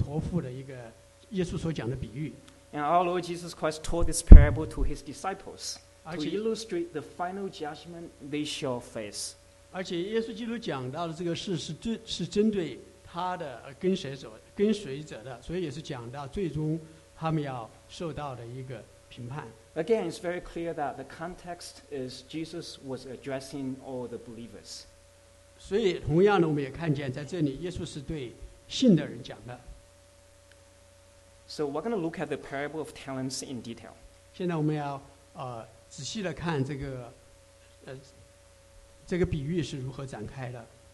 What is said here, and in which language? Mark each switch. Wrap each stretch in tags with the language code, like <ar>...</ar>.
<zh>而且我们也在马太福音今天我们也读到关于按才能的受托付的一个耶稣所讲的比喻。</zh> <en>And our Lord Jesus Christ told this parable to his disciples to illustrate the final judgment they shall face.</en> <zh>而且耶稣基督讲到的这个事是针对他的跟随者的，所以也是讲到最终他们要受到的一个。</zh> <en>Again, it's very clear that the context is Jesus was addressing all the believers.</en> <zh>所以同样的我们也看见在这里耶稣是对信的人讲的。</zh> <en>So we're going to look at the parable of talents in detail.</en> <zh>现在我们要仔细地看这个比喻是如何展开的。</zh>